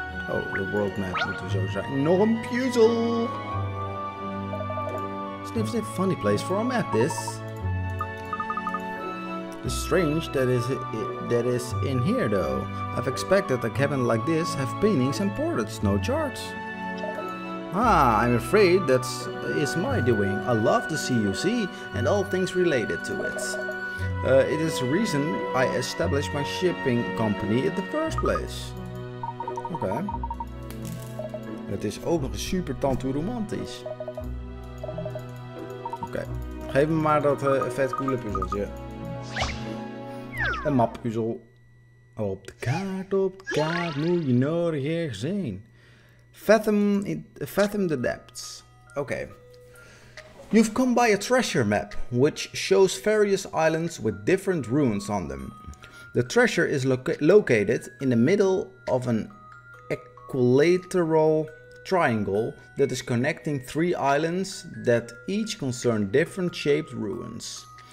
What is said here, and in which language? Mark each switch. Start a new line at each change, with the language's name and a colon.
English: Oh, the world map
Dutch: moeten we zo zijn. Nog een puzzel.
English: Sniff sniff, funny place for a map this. It's strange that is in here though. I've expected a cabin like this have paintings and portraits, no charts. Ah, I'm afraid that is my doing. I love the CUC and all things related to it. It is the reason I established my shipping company in the first place. Okay.
Dutch: Het is ook nog super tanto romantisch. Okay. Geef me maar dat vet coole puzzeltje. Een mappuzzel. Op de kaart moet je nodig ergens heen.
English: Fathom the depths. Okay. You've come by a treasure map, which shows various islands with different runes on them. The treasure is located in the middle of an equilateral triangle that is connecting three islands that each concern different shaped runes.